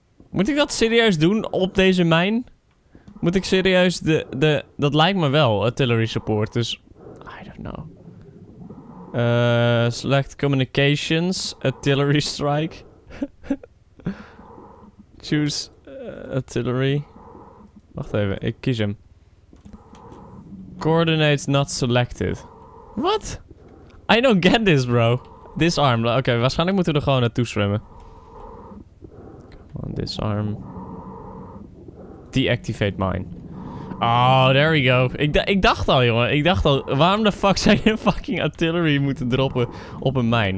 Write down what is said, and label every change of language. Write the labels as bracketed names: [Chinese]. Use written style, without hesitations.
[Dutch] Moet ik dat serieus doen op deze mijn? Moet ik serieus de dat lijkt me wel [English] artillery support. Dus I don't know. Select communications artillery strike. Choose artillery. [Dutch] Wacht even, ik kies hem. [English] Coordinates not selected. What? I don't get this, bro. Disarm. [Dutch] Oké, waarschijnlijk moeten we er gewoon naartoe zwemmen. [English] Come on, disarm. Deactivate mine. Oh, there we go. [Dutch] Ik dacht al, jongen. Ik dacht al, waarom de fuck zou je fucking artillery moeten droppen op een mijn?